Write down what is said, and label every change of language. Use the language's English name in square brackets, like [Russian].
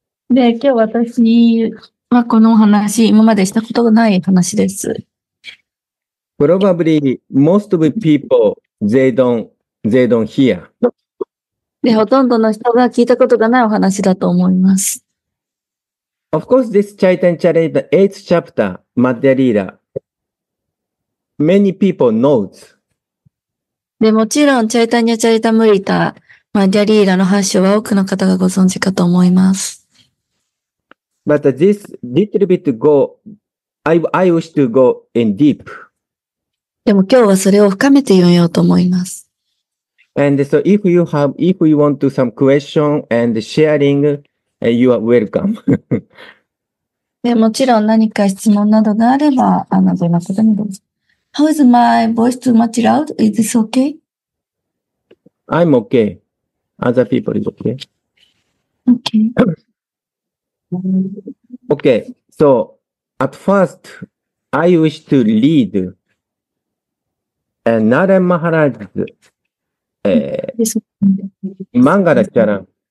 [Japanese] で、今日私はこの話、今までしたことがない話です。 [English] Probably most of the people, they don't hear. [Japanese] で、ほとんどの人が聞いたことがないお話だと思います。 [English] Of course, this Chaitanya Charitamrita, 8th chapter, Madhya Lila, many people know. [Japanese] で、もちろん、チャイタニャ・チャリタムリタ、マディアリーラの発祥は多くの方がご存知かと思います。 [English] But this little bit go, I wish to go in deep. [Japanese] でも今日はそれを深めて読みようと思います。 [English] And so if you want to some question and sharing, you are welcome. [Japanese] でもちろん何か質問などがあれば、どんなことにどうぞ。 [English] How is my voice too much loud? Is this okay? I'm okay. Other people is okay. Okay. Okay, so at first, I wish to read Narayan Maharaj's Mangala Charan.